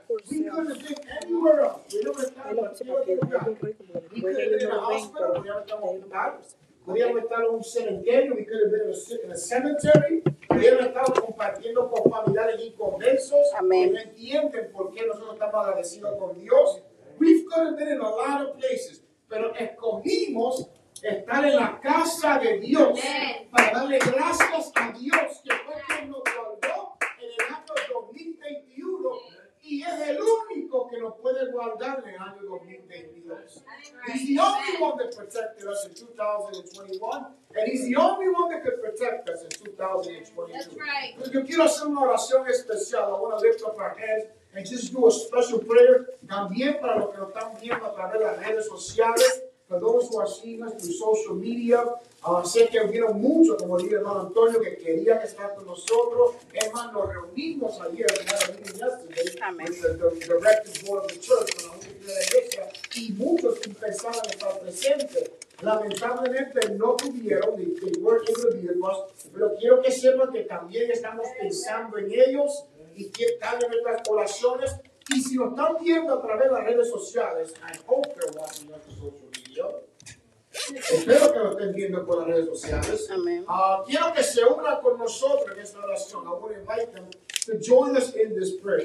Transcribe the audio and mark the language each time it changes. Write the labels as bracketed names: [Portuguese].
[English] We couldn't have been anywhere else. We never thought about it. We couldn't have been in a hospital. [Spanish] Podríamos estar en un cementerio, [English] we could have been in a cemetery. [Spanish] Podríamos estar compartiendo con familiares inconversos. Amén. No entienden por qué nosotros estamos agradecidos con Dios. [English] We've got to be in a lot of places, [Spanish] pero escogimos estar en la casa de Dios. [English] Amen. [Spanish] Para darle gracias a Dios que fue quien nos guardó en el año 2021. Y es el único que nos puede guardar en el año 2022. [English] He's the only one that protected us in 2021. And he's the only one that could protect us in 2022. That's right. [Spanish] Yo quiero hacer una oración especial. [English] I want to lift up our hands and just do a special prayer. [Spanish] También para los que nos están viendo a través de las redes sociales. [English] For those who are seeing us through social media. [Spanish] Sé que hubieron muchos, como dice don Antonio, que querían estar con nosotros. Es más, nos reunimos ayer, en la reunión yesterday, [English] amen, with the director board of the church, [Spanish] con la iglesia de la iglesia, y muchos que pensaban estar presentes. Lamentablemente no pudieron, [English] they weren't able to be with us, [Spanish] pero quiero que sepan que también estamos pensando en ellos, y que están en nuestras oraciones, y si nos están viendo a través de las redes sociales, [English] I hope they're watching us on social media. [Spanish] Espero que lo estén viendo por las redes sociales. Quiero que se unan con nosotros en esta oración. [English] I would invite them to join us in this prayer.